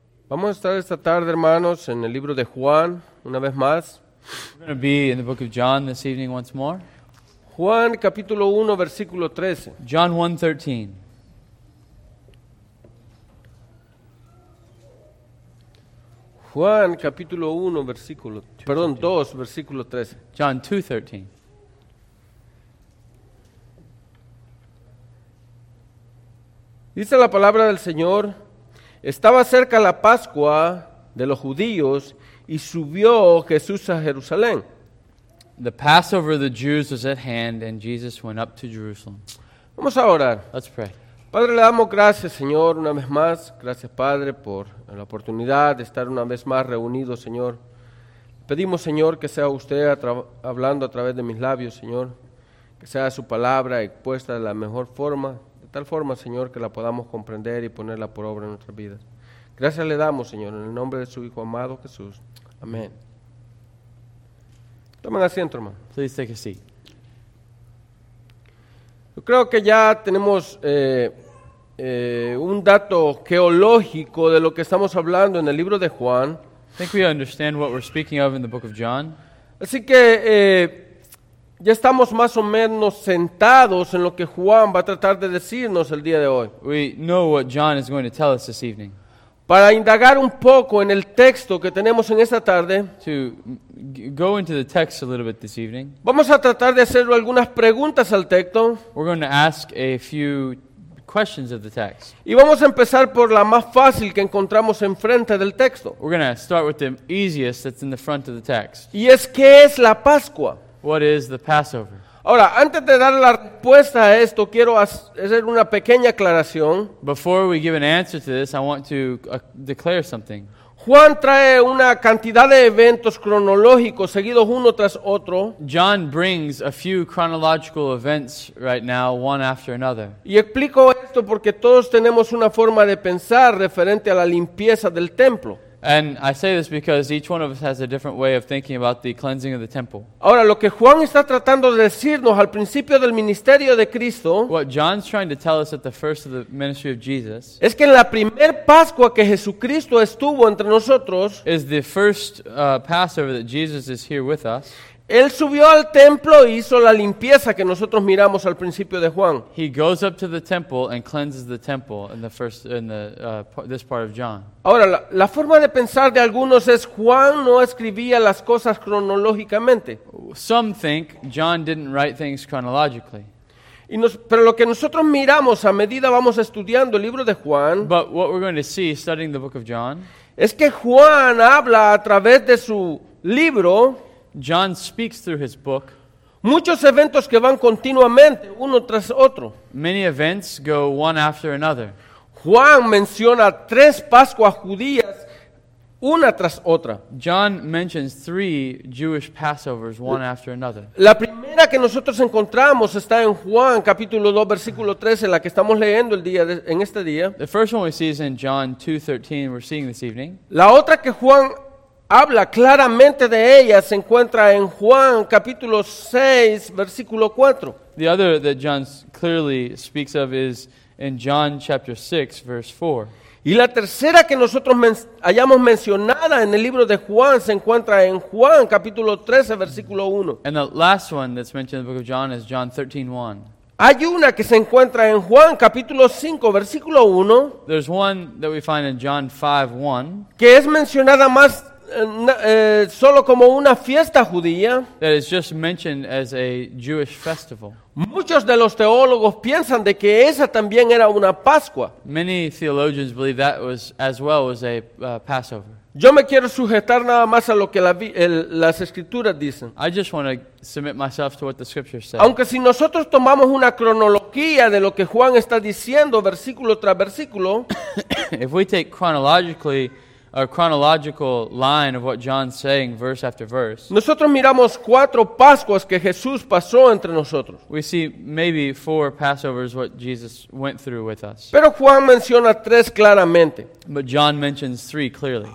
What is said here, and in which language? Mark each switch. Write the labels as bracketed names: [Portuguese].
[Spanish] Vamos a estar esta tarde, hermanos, en el libro de Juan, una vez más. [English] We're going to be in the book of John this evening once more. [Spanish] Juan, capítulo 1, versículo 13. [English] John 1, 13. [Spanish] Juan, capítulo 1, versículo... 2, perdón, 13. 2, versículo 13. [English] John 2, 13. [Spanish] Dice la palabra del Señor, estaba cerca la Pascua de los judíos y subió Jesús a Jerusalén. [English] The Passover of the Jews was at hand and Jesus went up to Jerusalem. [Spanish] Vamos a orar. [English] Let's pray. [Spanish] Padre, le damos gracias, Señor, una vez más. Gracias, Padre, por la oportunidad de estar una vez más reunidos, Señor. Pedimos, Señor, que sea usted hablando a través de mis labios, Señor. Que sea su palabra expuesta de la mejor forma. Tal forma, Señor, que la podamos comprender y ponerla por obra en nuestras vidas. Gracias le damos, Señor, en el nombre de su Hijo amado Jesús. Amén. Tomen asiento, hermano. [English] Please take a seat. [Spanish] Yo creo que ya tenemos un dato geológico de lo que estamos hablando en el libro de Juan. [English] I think we understand what we're speaking of in the book of John. [Spanish] Así que... ya estamos más o menos sentados en lo que Juan va a tratar de decirnos el día de hoy. [English] We know what John is going to tell us this evening. [Spanish] Para indagar un poco en el texto que tenemos en esta tarde. [English] To go into the text a little bit this evening. [Spanish] Vamos a tratar de hacer algunas preguntas al texto. [English] We're going to ask a few questions of the text. [Spanish] Y vamos a empezar por la más fácil que encontramos enfrente del texto. [English] We're going to start with the easiest that's in the front of the text. [Spanish] Y es, ¿qué es la Pascua? [English] What is the Passover? [Spanish] Ahora, antes de dar la respuesta a esto, quiero hacer una pequeña aclaración. [English] Before we give an answer to this, I want to declare something. [Spanish] Juan trae una cantidad de eventos cronológicos seguidos uno tras otro. [English] John brings a few chronological events right now, one after another. [Spanish] Y explico esto porque todos tenemos una forma de pensar referente a la limpieza del templo. [English] And I say this because each one of us has a different way of thinking about the cleansing of the temple. [Spanish] Ahora, lo que Juan está tratando de decirnos al principio del ministerio de Cristo, [English] what John's trying to tell us at the first of the ministry of Jesus, [Spanish] es que en la primer Pascua que Jesucristo estuvo entre nosotros, [English] is the first Passover that Jesus is here with us, [Spanish] él subió al templo e hizo la limpieza que nosotros miramos al principio de Juan. [English] He goes up to the temple and cleanses the temple in the first in the this part of John. [Spanish] Ahora, la forma de pensar de algunos es Juan no escribía las cosas cronológicamente. [English] Some think John didn't write things chronologically. [Spanish] Pero lo que nosotros miramos a medida vamos estudiando el libro de Juan, [English] but what we're going to see studying the book of John, [Spanish] es que Juan habla a través de su libro. [English] John speaks through his book. [Spanish] Muchos eventos que van continuamente uno tras otro. [English] Many events go one after another. [Spanish] Juan menciona tres Pascuas judías una tras otra. [English] John mentions three Jewish Passovers one after another. [Spanish] La primera que nosotros encontramos está en Juan capítulo 2 versículo 13, la que estamos leyendo el día en este día. [English] The first one we see is in John 2:13 we're seeing this evening. [Spanish] La otra que Juan habla claramente de ella se encuentra en Juan capítulo 6 versículo 4. [English] The other that John clearly speaks of is in John chapter 6 verse 4. [Spanish] Y la tercera que nosotros hayamos mencionada en el libro de Juan se encuentra en Juan capítulo 13 versículo 1. [English] And the last one that's mentioned in the book of John is John 13:1. [Spanish] Hay una que se encuentra en Juan capítulo 5 versículo 1. [English] There's one that we find in John 5:1. [Spanish] Que es mencionada más solo como una fiesta judía. [English] That is just mentioned as a Jewish festival. [Spanish] Muchos de los teólogos piensan de que esa también era una Pascua. [English] Many theologians believe that was as well as a Passover. [Spanish] Yo me quiero sujetar nada más a lo que las escrituras dicen. [English] I just want to submit myself to what the scriptures say. [Spanish] Aunque si nosotros tomamos una cronología de lo que Juan está diciendo versículo tras versículo, [English] if we take chronologically a chronological line of what John's saying verse after verse. [Spanish] Nosotros miramos cuatro Pascuas que Jesús pasó entre nosotros. [English] We see maybe four Passovers what Jesus went through with us. [Spanish] Pero Juan menciona tres claramente. [English] But John mentions three clearly.